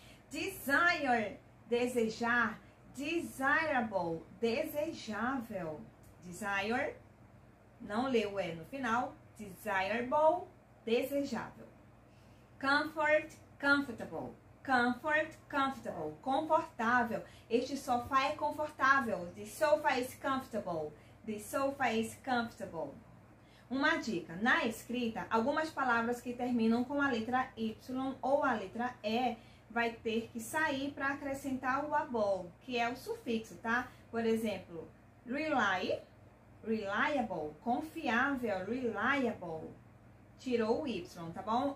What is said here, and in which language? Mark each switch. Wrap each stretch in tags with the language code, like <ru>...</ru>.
<pt>Desire, desejar. Desirable, desejável. Desire, não leu o E no final.</pt> <en>Desirable, desejável. Comfort, comfortable. Comfort, comfortable. Confortável.</en> <pt>Este sofá é confortável.</pt> <en>This sofa is comfortable. The sofa is comfortable.</en> <pt>Uma dica, na escrita, algumas palavras que terminam com a letra Y ou a letra E vai ter que sair para acrescentar o able, que é o sufixo, tá? Por exemplo, rely, reliable, confiável, reliable, tirou o Y, tá bom?</pt>